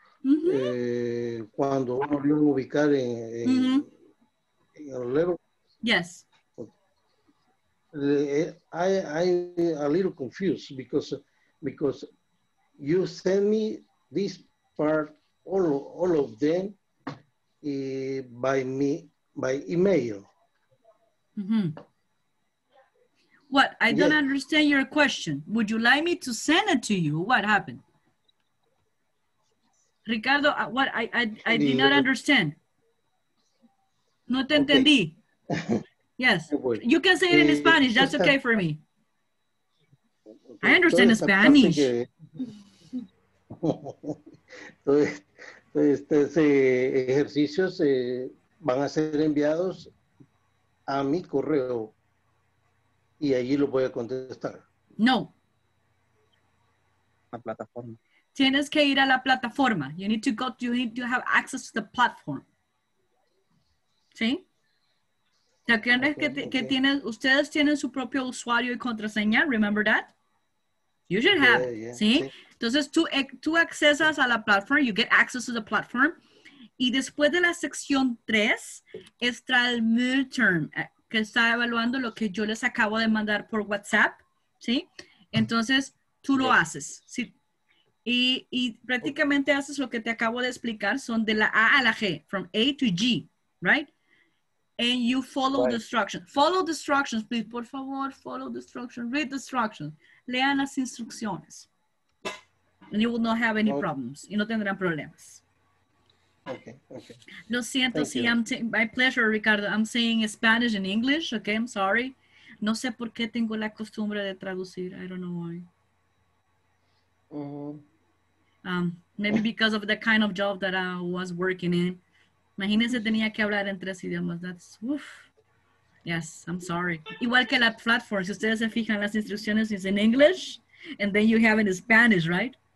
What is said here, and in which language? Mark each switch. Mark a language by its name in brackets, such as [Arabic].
[Spanish] Cuando uno lo ubicar en en el level. [English] Yes. I'm a little confused because you send me this part all of them by email. What? I don't understand your question. Would you like me to send it to you? What happened? Ricardo, what I did not understand. [Spanish] No te entendí. [English] Yes. You can say it in Spanish. That's okay for me. I understand Spanish. [Spanish] Estos ejercicios van a ser enviados a mi correo y allí lo voy a contestar. No. La plataforma. Tienes que ir a la plataforma. [English] You need to go, you need to have access to the platform. [Spanish] ¿Sí? ¿Te acuerdas que tienen, ustedes tienen su propio usuario y contraseña? [English] Remember that? You should have, [Spanish] ¿sí? Entonces, tú accesas a la [English] platform, you get access to the platform. [Spanish] Y después de la sección 3, está el midterm, que está evaluando lo que yo les acabo de mandar por WhatsApp, ¿sí? Entonces, tú lo haces, ¿sí? Y prácticamente haces lo que te acabo de explicar, son de la A a la G, [English] from A to G, right? And you follow the instructions. Follow the instructions, please, [Spanish] por favor, [English] follow the instructions, read the instructions. [Spanish] Lean las instrucciones. [English] And you will not have any problems. [Spanish] Y no tendrán problemas. [English] Okay. [Spanish] Lo siento, sí, [English] my pleasure, [Spanish] Ricardo. [English] I'm saying Spanish and English, okay? I'm sorry. [Spanish] No sé por qué tengo la costumbre de traducir. [English] I don't know why. Maybe because of the kind of job that I was working in. [Spanish] Imagínense, tenía que hablar en tres idiomas. [English] That's, oof. Yes, I'm sorry. [Spanish] Igual que la platform. Si ustedes se fijan, las instrucciones [English] is in English, and then you have it in Spanish, right?